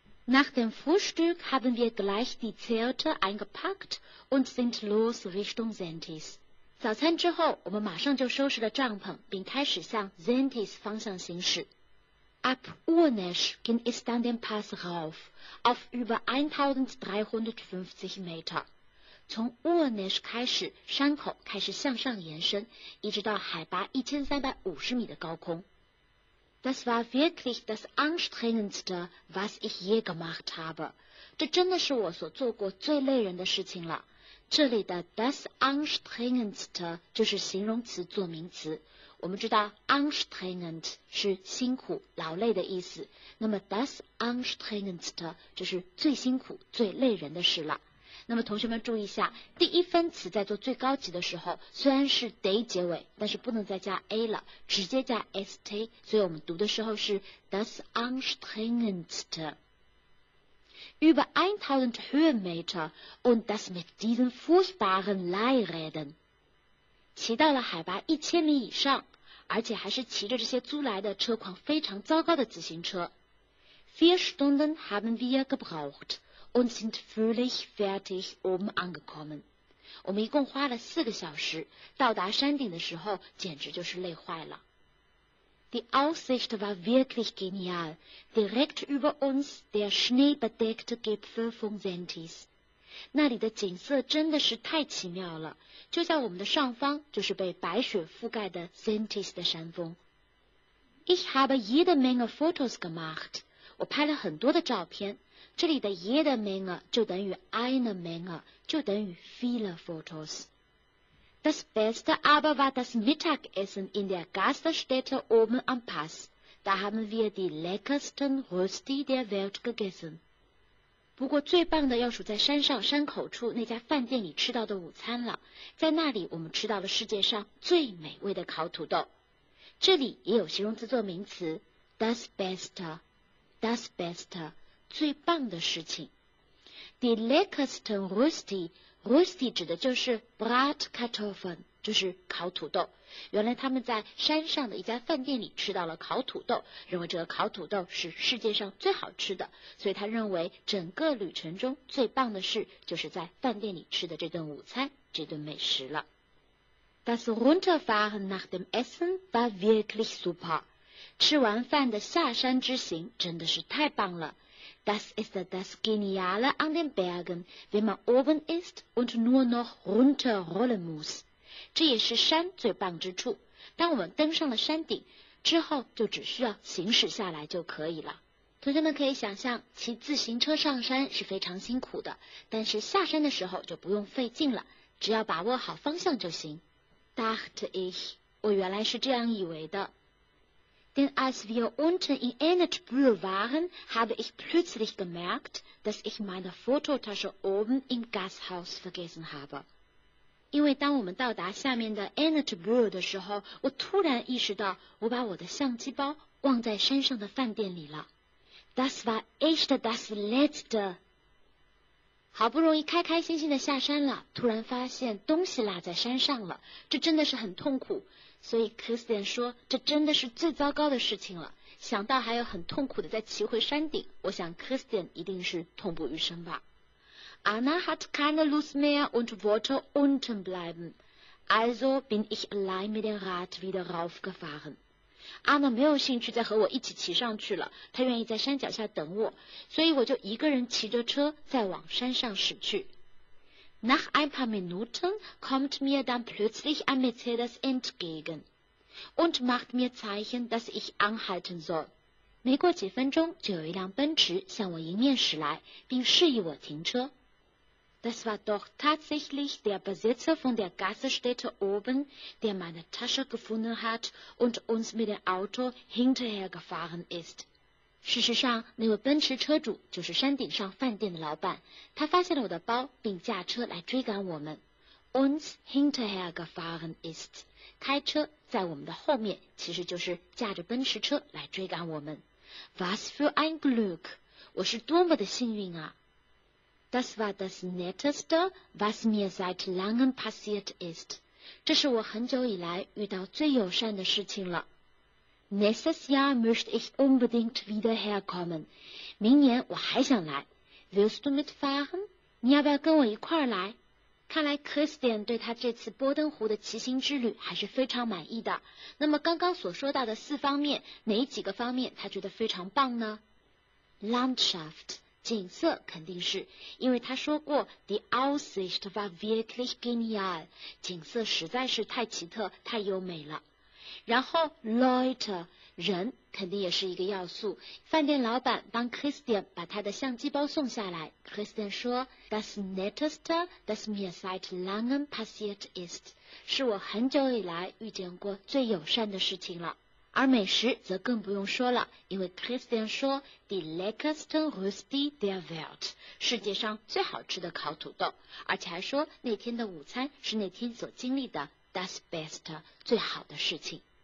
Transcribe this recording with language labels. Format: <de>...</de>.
<de>Nach dem Frühstück haben wir gleich die Zelte eingepackt und sind los Richtung Zentis.</de> <zh>早餐之后，我们马上就收拾了帐篷，并开始向 Zentis 方向行驶。</zh> <de>Ab Urnäsch ging es dann den Pass rauf, auf über 1350 Meter.</de> <zh>从 Urnäsch 开始，山口开始向上延伸，一直到海拔1350米的高空。</zh> <de>Das war wirklich das anstrengendste, was ich je gemacht habe.</de> <zh>这真的是我所做过最累人的事情了。这里的</zh> <de>das anstrengendste</de> <zh>就是形容词做名词。我们知道 anstrengend 是辛苦、劳累的意思。那么</zh> <de>das anstrengendste</de> <zh>就是最辛苦、最累人的事了。那么同学们注意一下，第一分词在做最高级的时候，虽然是 day 结尾，但是不能再加 a 了，直接加 st， 所以我们读的时候是</zh> <de>das anstrengendste。 Über 1000 Höhenmeter und das mit diesen furchtbaren Leihrädern.</de> <zh>骑到了海拔1000米以上，而且还是骑着这些租来的车况非常糟糕的自行车。</zh> <de>4 Stunden haben wir gebraucht und sind völlig fertig oben angekommen.</de> <zh>我们一共花了4个小时，到达山顶的时候简直就是累坏了。</zh> <de>Die Aussicht war wirklich genial. Direkt über uns der schneebedeckte Gipfel von Sentis.</de> <zh>那里的景色真的是太奇妙了，就在我们的上方，就是被白雪覆盖的 Sentis 的山峰。</zh> <de>Ich habe jede Menge Fotos gemacht.</de> <zh>我拍了很多的照片。这里的</zh> <de>jede Menge</de> <zh>就等于</zh> <de>eine Menge，</de> <zh>就等于</zh> <de>viele Fotos。 Das Beste aber war das Mittagessen in der Gaststätte oben am Pass. Da haben wir die leckersten Rösti der Welt gegessen.</de> <zh>不过最棒的要数在山上山口处那家饭店里吃到的午餐了。在那里我们吃到了世界上最美味的烤土豆。这里也有形容词做名词 ,</zh> <de>das Beste, das Beste,</de> <zh>最棒的事情。</zh> <de>Die leckersten Rösti,Rösti</de> <zh>指的就是</zh> <de>Bratkartoffeln，</de> <zh>就是烤土豆。原来他们在山上的一家饭店里吃到了烤土豆，认为这个烤土豆是世界上最好吃的，所以他认为整个旅程中最棒的事就是在饭店里吃的这顿午餐，这顿美食了。</zh> <de>Das Runterfahren nach dem Essen war wirklich super.</de> <zh>吃完饭的下山之行真的是太棒了。</zh> <de>Das ist das Geniale an den Bergen, wenn man oben ist und nur noch runterrollen muss.</de> <zh>这也是山最棒之处。当我们登上了山顶之后，就只需要行驶下来就可以了。同学们可以想象，骑自行车上山是非常辛苦的，但是下山的时候就不用费劲了，只要把握好方向就行。</zh> <de>Dachte ich,</de> <zh>我原来是这样以为的。</zh> <de>Denn als wir unten in Ennetbrühl waren, habe ich plötzlich gemerkt, dass ich meine Fototasche oben im Gasthaus vergessen habe.</de> <zh>因为当我们到达下面的 Ennetbrühl 的时候，我突然意识到我把我的相机包忘在山上的饭店里了。</zh> <de>Das war echt das Letzte.</de> <zh>好不容易开开心心的下山了，突然发现东西落在山上了，这真的是很痛苦。所以 Christian 说，这真的是最糟糕的事情了。想到还有很痛苦的再骑回山顶，我想 Christian 一定是痛不欲生吧。</zh> <de>Anna hat keine Lust mehr und wollte unten bleiben, also bin ich allein mit dem Rad wieder raufgefahren.</de> <zh>Anna 没有兴趣再和我一起骑上去了，她愿意在山脚下等我，所以我就一个人骑着车再往山上驶去。</zh> <de>Nach ein paar Minuten kommt mir dann plötzlich ein Mercedes entgegen und macht mir Zeichen, dass ich anhalten soll.</de> <zh>没过几分钟，就有一辆奔驰向我迎面驶来，并示意我停车。</zh> <de>Das war doch tatsächlich der Besitzer von der Gaststätte oben, der meine Tasche gefunden hat und uns mit dem Auto hinterhergefahren ist.</de> <zh>事实上，那位奔驰车主就是山顶上饭店的老板，他发现了我的包，并驾车来追赶我们。</zh> <de>Uns hinterher gefahren ist，</de> <zh>开车在我们的后面，其实就是驾着奔驰车来追赶我们。</zh> <de>Was für ein Glück，</de> <zh>我是多么的幸运啊。</zh> <de>Das war das Netteste, was mir seit langem passiert ist，</de> <zh>这是我很久以来遇到最友善的事情了。</zh> <de>Nächstes Jahr möchte ich unbedingt wieder herkommen.</de> <zh>明年我还想来。</zh> <de>Willst du mitfahren?</de> <zh>你要不要跟我一块儿来看来 Christian 对他这次波登湖的骑行之旅还是非常满意的。那么刚刚所说到的四方面，哪几个方面他觉得非常棒呢？</zh> <de>Landschaft</de> <zh>景色肯定是，因为他说过</zh> <de>Die Aussicht war wirklich genial，</de> <zh>景色实在是太奇特太优美了。然后 Leute 人肯定也是一个要素。饭店老板帮 Christian 把他的相机包送下来， Christian 说</zh> <de>Das netteste, das mir seit langem passiert ist，</de> <zh>是我很久以来遇见过最友善的事情了。而美食则更不用说了，因为 Christian 说</zh> <de>Die leckerste Rösti der Welt，</de> <zh>世界上最好吃的烤土豆，而且还说那天的午餐是那天所经历的</zh> <de>Das Beste，</de> <zh>最好的事情。</zh>